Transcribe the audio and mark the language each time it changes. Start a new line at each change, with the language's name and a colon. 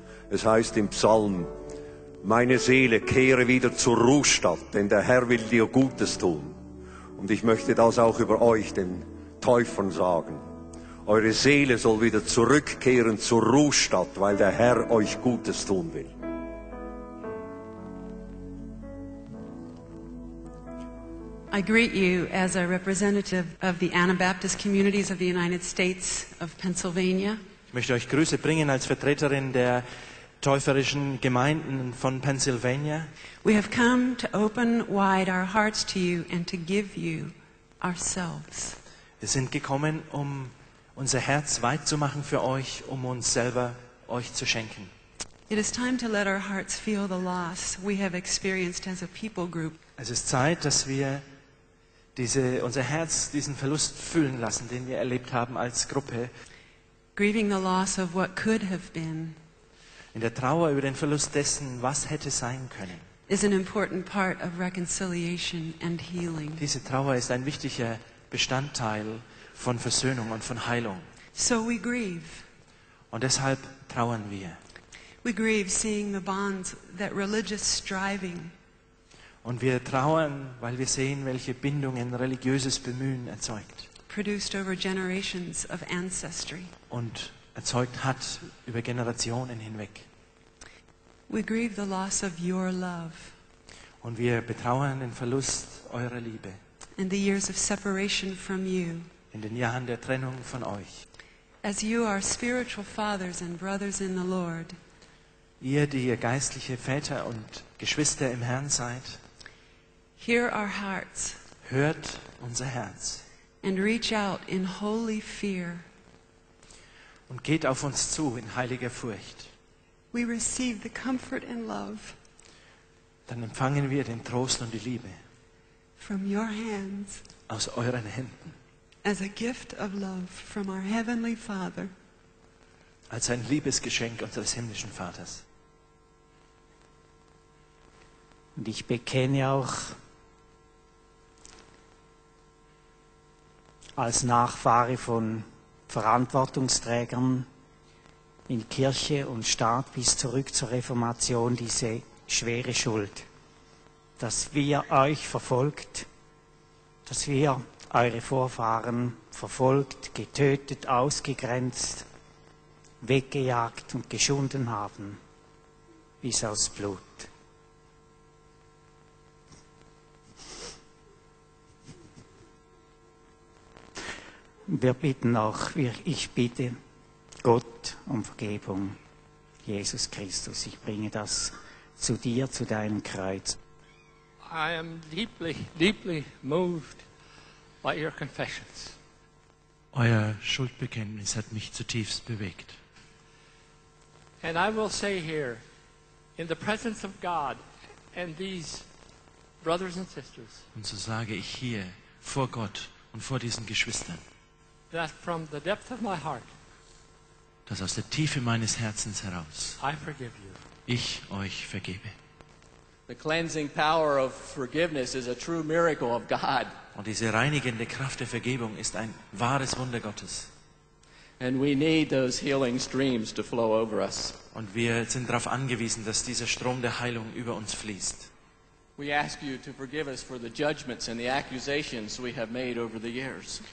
German: Es heißt im Psalm, meine Seele kehre wieder zur Ruhestatt, denn der Herr will dir Gutes tun. Und ich möchte das auch über euch, den Täufern, sagen. Eure Seele soll wieder zurückkehren zur Ruhestatt, weil der Herr euch Gutes tun will.
English: I greet you as a representative of the Anabaptist communities of the United States of Pennsylvania.
German: Ich möchte euch Grüße bringen als Vertreterin der täuferischen Gemeinden von Pennsylvania.
English: We have come to open wide our hearts to you and to give you ourselves.
German: Wir sind gekommen, um unser Herz weit zu machen für euch, um uns selber euch zu schenken.
English: It is time to let our hearts feel the loss we have experienced as a people group.
German: Es ist Zeit, dass wir unser Herz diesen Verlust fühlen lassen, den wir erlebt haben als Gruppe.
English: Grieving the loss of what could have been.
German: In der Trauer über den Verlust dessen, was hätte sein können.
English: Is an important part of reconciliation and healing.
German: Diese Trauer ist ein wichtiger Bestandteil von Versöhnung und von Heilung.
English: So we grieve.
German: Und deshalb trauern wir.
English: We grieve seeing the bonds that religious striving.
German: Und wir trauern, weil wir sehen, welche Bindungen religiöses Bemühen erzeugt.
English: Produced over generations of ancestry.
German: Und erzeugt hat über Generationen hinweg.
English: We grieve the loss of your love.
German: Und wir betrauern den Verlust eurer Liebe.
English: And the years of separation from you.
German: In den Jahren der Trennung von euch.
English: As you are spiritual fathers and brothers in the Lord.
German: Ihr, die ihr geistliche Väter und Geschwister im Herrn seid.
English: Hear our hearts.
German: Hört unser Herz.
English: And reach out in holy fear.
German: Und geht auf uns zu in heiliger Furcht.
English: We receive the comfort and love.
German: Dann empfangen wir den Trost und die Liebe.
English: From your hands.
German: Aus euren Händen.
English: As a gift of love from our heavenly Father.
German: Als ein Liebesgeschenk unseres himmlischen Vaters. Und ich bekenne auch als Nachfahre von Verantwortungsträgern in Kirche und Staat bis zurück zur Reformation diese schwere Schuld, dass wir euch verfolgt, dass wir eure Vorfahren verfolgt, getötet, ausgegrenzt, weggejagt und geschunden haben, bis aus Blut. Wir bitten auch, ich bitte Gott um Vergebung, Jesus Christus. Ich bringe das zu dir, zu deinem Kreuz.
English: I am deeply, deeply moved by your confessions.
German: Euer Schuldbekenntnis hat mich zutiefst bewegt.
English: And I will say here, in the presence of God and these brothers and sisters,
German: und so sage ich hier vor Gott und vor diesen Geschwistern,
English: that from the depth of my heart,
German: dass aus der Tiefe meines Herzens heraus,
English: I forgive you.
German: Ich euch vergebe.
English: The cleansing power of forgiveness is a true miracle of God.
German: Und diese reinigende Kraft der Vergebung ist ein wahres Wunder Gottes.
English: And we need those healing streams to flow over us.
German: Und wir sind darauf angewiesen, dass dieser Strom der Heilung über uns fließt.
English: We ask you to forgive us for the judgments and the accusations we have made over the years.